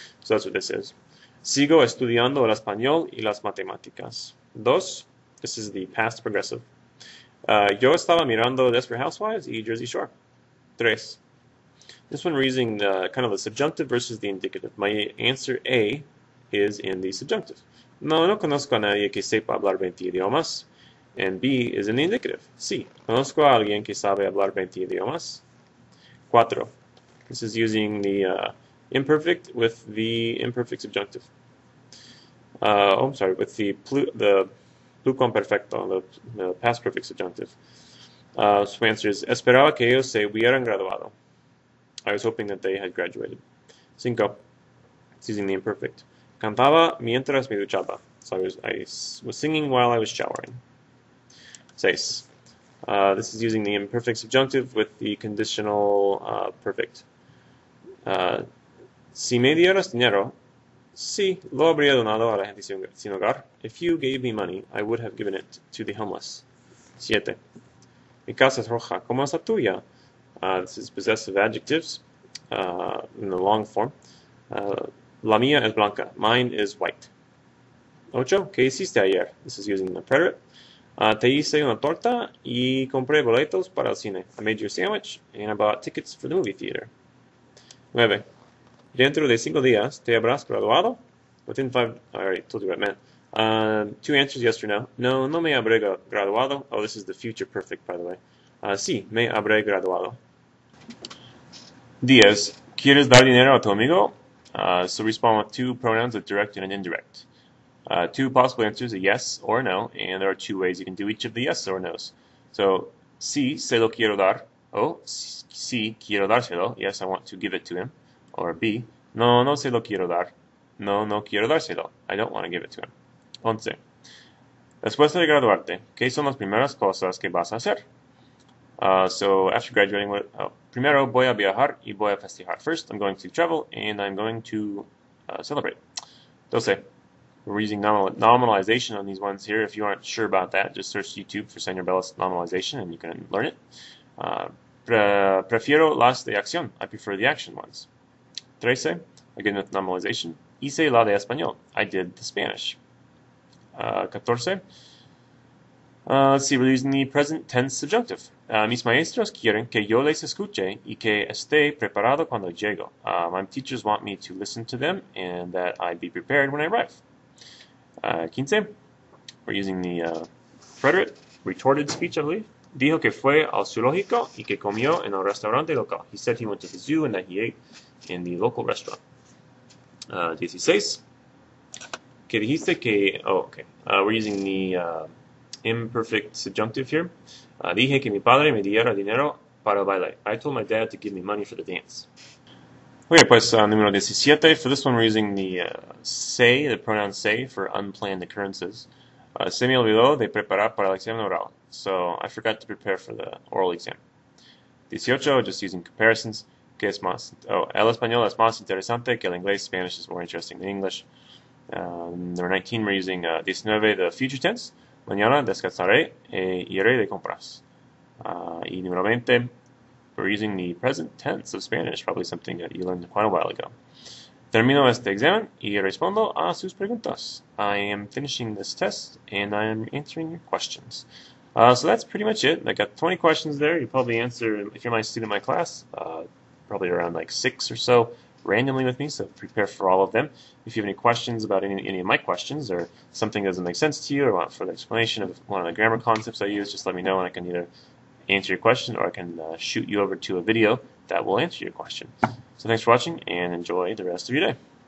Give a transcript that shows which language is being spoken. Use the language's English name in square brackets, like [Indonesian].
[English] So that's what this is. [Spanish] Sigo estudiando el español y las matemáticas. Dos, [English] this is the past progressive. [Spanish] Yo estaba mirando Desperate Housewives y Jersey Shore. Tres. [English] This one we're using kind of the subjunctive versus the indicative. My answer A is in the subjunctive. [Spanish] No, no conozco a nadie que sepa hablar 20 idiomas. [English] And B is in the indicative. [Spanish] Sí, conozco a alguien que sabe hablar 20 idiomas. Cuatro. [English] This is using the imperfect with the imperfect subjunctive. Oh, I'm sorry, with the pluscuamperfecto, the past perfect subjunctive. So my answer is, [Spanish] esperaba que ellos se hubieran graduado. [English] I was hoping that they had graduated. Cinco. It's using the imperfect. [Spanish] Cantaba mientras me duchaba. [English] So I was singing while I was showering. Seis. This is using the imperfect subjunctive with the conditional perfect. [Spanish] Si me dieras dinero, sí, lo habría donado a la gente sin hogar. [English] If you gave me money, I would have given it to the homeless. Siete. [Spanish] Mi casa es roja. ¿Cómo es la tuya? [English] This is possessive adjectives in the long form. [Spanish] La mía es blanca. [English] Mine is white. [Spanish] Ocho, ¿qué hiciste ayer? [English] This is using the preterite. [Spanish] Te hice una torta y compré boletos para el cine. [English] I made you a sandwich and I bought tickets for the movie theater. [Spanish] Nueve, dentro de 5 días te habrás graduado. [English] Within 5, I already told you what it meant. Two answers, yes or no. [Spanish] No, no me habré graduado. [English] Oh, this is the future perfect, by the way. [Spanish] Sí, me habré graduado. Diez, ¿quieres dar dinero a tu amigo? [English] So respond with two pronouns, a direct and an indirect. Two possible answers, a yes or a no, and there are two ways you can do each of the yes or no's. [Spanish] So, sí, se lo quiero dar. Oh, sí, quiero dárselo. [English] Yes, I want to give it to him. Or B, [Spanish] no, no se lo quiero dar. No, no quiero dárselo. [English] I don't want to give it to him. [Spanish] Once, después de graduarte, ¿qué son las primeras cosas que vas a hacer? [English] So after graduating, [Spanish] primero voy a viajar y voy a festejar. [English] First, I'm going to travel and I'm going to celebrate. Entonces, we're using nominalization on these ones here. If you aren't sure about that, just search YouTube for Señor Bella's nominalization and you can learn it. [Spanish] Prefiero las de acción. [English] I prefer the action ones. Trece, again with nominalization. [Spanish] Hice la de español. [English] I did the Spanish. Catorce. Let's see, we're using the present tense subjunctive. [Spanish] Mis maestros quieren que yo les escuche y que esté preparado cuando llego. [English] My teachers want me to listen to them and that I be prepared when I arrive. Quince, we're using the preterite, retorted speech, I believe. [Spanish] Dijo que fue al zoológico y que comió en el restaurante local. [English] He said he went to the zoo and that he ate in the local restaurant. [Spanish] Dieciséis, que dijiste que. Oh, okay. [English] We're using the imperfect subjunctive here. [Spanish] Dije que mi padre me diera dinero para el baile. [English] I told my dad to give me money for the dance. Okay, [Spanish] pues número 17. [English] For this one, we're using the se, the pronoun se, for unplanned occurrences. [Spanish] Se me olvidó de preparar para el examen oral. [English] So I forgot to prepare for the oral exam. 18, just using comparisons. [Spanish] ¿Qué es más? Oh, el español es más interesante que el inglés. [English] Spanish is more interesting than English. Number 19, we're using 19, the future tense. [Spanish] Mañana descansaré e iré de compras. Y número 20, [English] we're using the present tense of Spanish, probably something that you learned quite a while ago. [Spanish] Termino este examen y respondo a sus preguntas. [English] I am finishing this test and I am answering your questions. So that's pretty much it. I got 20 questions there. You probably answer, if you're my student in my class, probably around like six or so randomly with me, so prepare for all of them. If you have any questions about any of my questions or something that doesn't make sense to you or want further explanation of one of the grammar concepts I use, just let me know and I can either answer your question, or I can shoot you over to a video that will answer your question. So, thanks for watching and enjoy the rest of your day.